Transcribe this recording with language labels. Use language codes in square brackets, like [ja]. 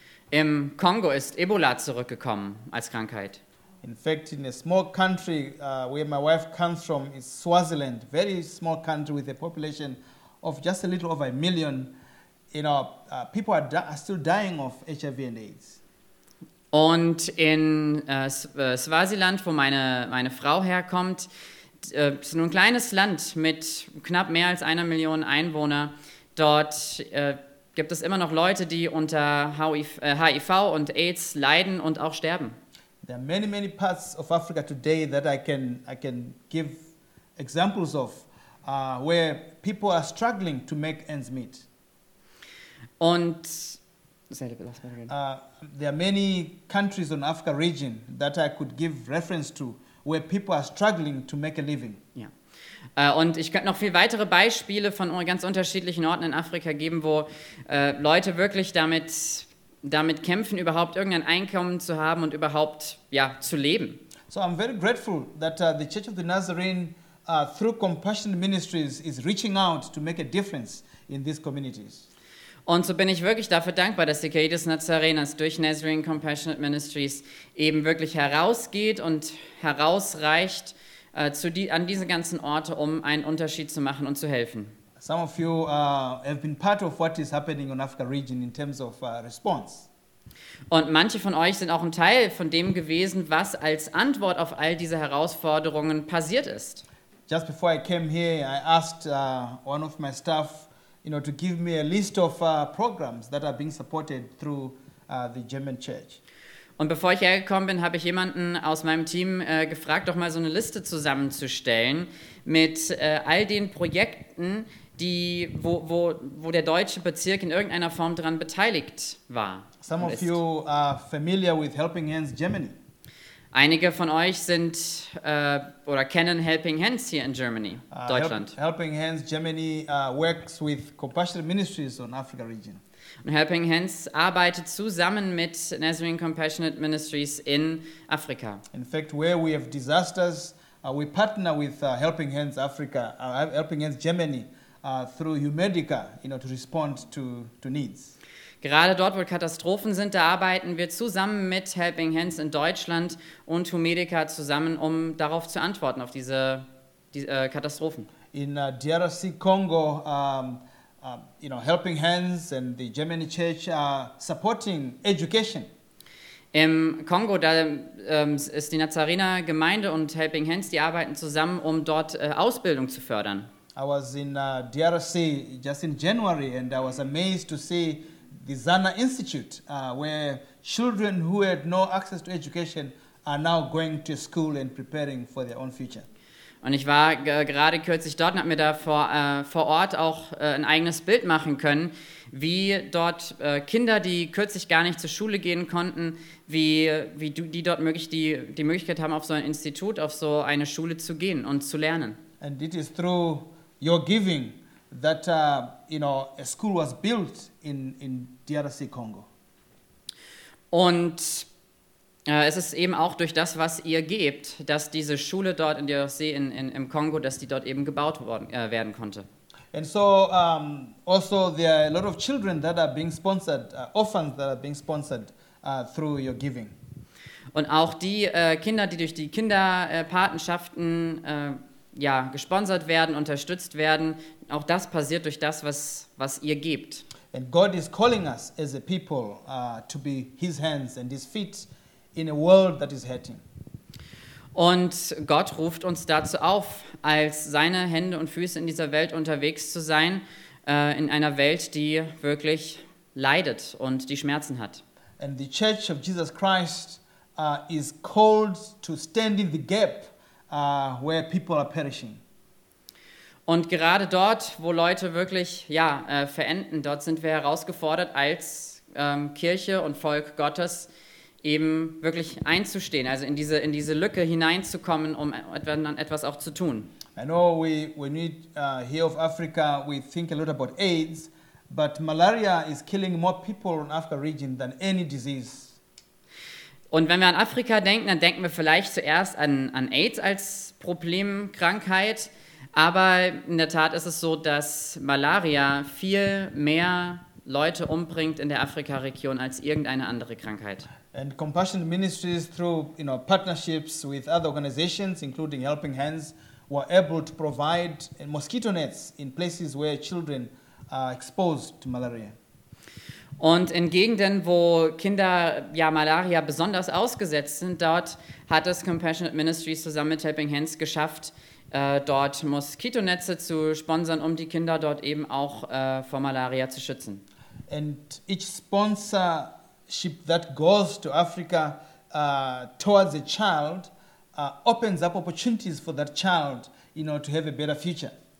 [de] Im Kongo ist Ebola zurückgekommen als Krankheit. [en] In fact, in a small country where my wife comes from, is Swaziland, very small country with a population of just a little over a million, you know, people are still dying of HIV and AIDS. [de] Und in Swaziland, wo meine Frau herkommt, ist nur ein kleines Land mit knapp mehr als einer Million Einwohner. Dort gibt es immer noch Leute, die unter HIV und AIDS leiden und auch sterben. [en] There are many, many parts of Africa today that I can give examples of, where people are struggling to make ends meet. [de] Und [en] there are many countries in Africa region that I could give reference to, where people are struggling to make a living. [de] Ja. Und ich könnte noch viel weitere Beispiele von ganz unterschiedlichen Orten in Afrika geben, wo Leute wirklich damit kämpfen, überhaupt irgendein Einkommen zu haben und überhaupt zu leben. [en] So I'm very grateful that the Church of the Nazarene through Compassion Ministries is reaching out to make a difference in these communities. [de] Und so bin ich wirklich dafür dankbar, dass die Caritas Nazarenas durch Nazarene Compassionate Ministries eben wirklich herausgeht und herausreicht an diese ganzen Orte, um einen Unterschied zu machen und zu helfen. [en] Some of you have been part of what is happening in Africa region in terms of response. [de] Und manche von euch sind auch ein Teil von dem gewesen, was als Antwort auf all diese Herausforderungen passiert ist. [en] Just before I came here, I asked one of my staff, you know, to give me a list of programs that are being supported through the German church. [de] Und bevor ich hergekommen bin, habe ich jemanden aus meinem Team gefragt, doch mal so eine Liste zusammenzustellen mit all den Projekten, wo der deutsche Bezirk in irgendeiner Form daran beteiligt war. [en] Some of you are familiar with Helping Hands Germany. [de] Einige von euch sind oder kennen Helping Hands hier in Germany, Deutschland. [en] Helping Hands Germany works with Compassion Ministries on Africa region. [de] Und Helping Hands arbeitet zusammen mit Nazarene Compassionate Ministries in Afrika. [en] In fact, where we have disasters, we partner with Helping Hands Africa, Helping Hands Germany through Humedica, you know, to respond to needs. [de] Gerade dort, wo Katastrophen sind, da arbeiten wir zusammen mit Helping Hands in Deutschland und Humedica zusammen, um darauf zu antworten, auf diese Katastrophen. [en] In DRC Congo, you know, Helping Hands and the German Church are supporting education. [de] Im Kongo, da ist die Nazarener-Gemeinde und Helping Hands, die arbeiten zusammen, um dort Ausbildung zu fördern. [en] I was in DRC just in January and I was amazed to see the Zana Institute, where children who had no access to education are now going to school and preparing for their own future. [de] Und ich war gerade kürzlich dort und habe mir da vor Ort auch ein eigenes Bild machen können, wie dort Kinder, die kürzlich gar nicht zur Schule gehen konnten, wie die dort möglich die Möglichkeit haben, auf so ein Institut, auf so eine Schule zu gehen und zu lernen. [en] And it is through your giving that you know, a school was built in DRC Congo. [de] Und es ist eben auch durch das, was ihr gebt, dass diese Schule dort in DRC im Kongo, dass die dort eben gebaut worden werden konnte. [en] And so also there are a lot of children that are being sponsored, orphans that are being sponsored through your giving. [de] Und auch die Kinder, die durch die Kinderpatenschaften gesponsert werden, unterstützt werden, auch das passiert durch das, was ihr gebt. [en] And God is calling us as a people to be His hands and His feet in a world that is hurting. [de] Und Gott ruft uns dazu auf, als seine Hände und Füße in dieser Welt unterwegs zu sein, in einer Welt, die wirklich leidet und die Schmerzen hat. [en] And the Church of Jesus Christ is called to stand in the gap where people are perishing. [de] Und gerade dort, wo Leute wirklich verenden, dort sind wir herausgefordert, als Kirche und Volk Gottes eben wirklich einzustehen, also in diese Lücke hineinzukommen, um etwas auch zu tun. [en] I know when we hear of Africa, we think a lot about AIDS, but malaria is killing more people in Africa region than any disease. [de] Und wenn wir an Afrika denken, dann denken wir vielleicht zuerst an AIDS als Problemkrankheit. Aber in der Tat ist es so, dass Malaria viel mehr Leute umbringt in der Afrika-Region als irgendeine andere Krankheit. [en] And Compassion Ministries, through partnerships with other organizations, including Helping Hands, were able to provide mosquito nets in places where children are exposed to malaria. [de] Und in Gegenden, wo Kinder Malaria besonders ausgesetzt sind, dort hat es Compassionate Ministries zusammen mit Helping Hands geschafft, dort Moskitonetze zu sponsern, um die Kinder dort eben auch vor Malaria zu schützen. [en] And each sponsorship that goes to Africa towards a child opens up opportunities for that child, to have a better future.